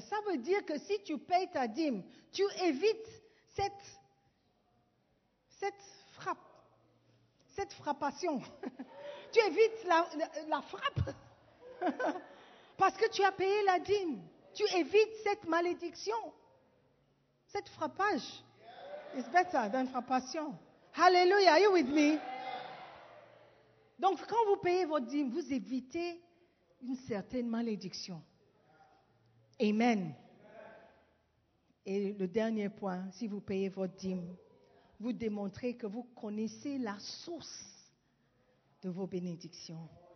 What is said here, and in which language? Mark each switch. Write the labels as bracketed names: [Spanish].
[French] Ça veut dire que si tu payes ta dîme, tu évites cette frappe, cette frappation. Tu évites la frappe parce que tu as payé la dîme. Tu évites cette malédiction, cette frappage. [English] It's better than frappation. Hallelujah, are you with me? [French] Donc, quand vous payez votre dîme, vous évitez une certaine malédiction. Amen. Et le dernier point, si vous payez votre dîme, vous démontrez que vous connaissez la source de vos bénédictions.